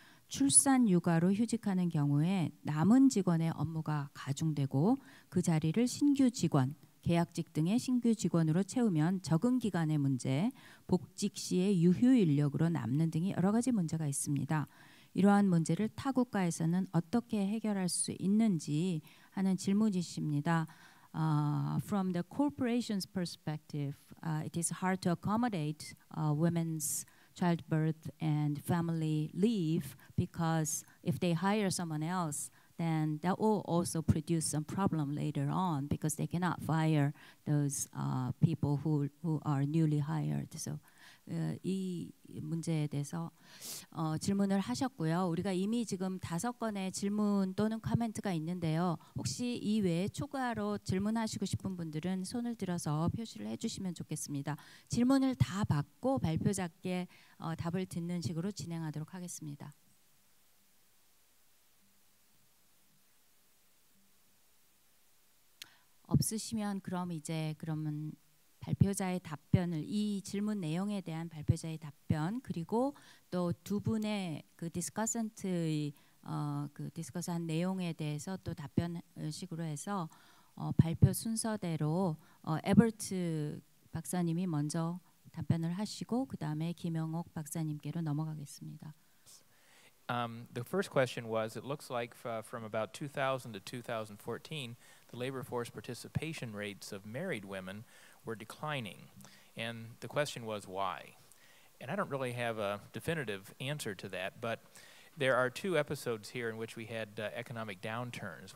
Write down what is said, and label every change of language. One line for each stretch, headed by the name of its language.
Korean: 출산 육아로 휴직하는 경우에 남은 직원의 업무가 가중되고 그 자리를 신규 직원, 계약직 등의 신규 직원으로 채우면 적응 기간의 문제, 복직 시의 유휴 인력으로 남는 등이 여러 가지 문제가 있습니다. 이러한 문제를 타 국가에서는 어떻게 해결할 수 있는지 하는 질문이십니다.
English: From the corporation's perspective, it is hard to accommodate women's childbirth and family leave because if they hire someone else, then that will also produce some problem later on because they cannot fire those people who are newly hired.
Korean: So, 이 문제에 대해서 질문을 하셨고요. 우리가 이미 지금 다섯 건의 질문 또는 코멘트가 있는데요. 혹시 이외에 추가로 질문하시고 싶은 분들은 손을 들어서 표시를 해주시면 좋겠습니다. 질문을 다 받고 발표자께 답을 듣는 식으로 진행하도록 하겠습니다. 없으시면 그럼 이제 그러면 발표자의 답변을 이 질문 내용에 대한 발표자의 답변 그리고 또 두 분의 그 디스커센트의 그 디스커스한 내용에 대해서 또 답변식으로 해서 발표 순서대로 에버트 박사님이 먼저 답변을 하시고 그 다음에 김영옥 박사님께로 넘어가겠습니다.
English: The first question was, it looks like from about 2000 to 2014, the labor force participation rates of married women were declining. And the question was why? And I don't really have a definitive answer to that, but there are two episodes here in which we had economic downturns.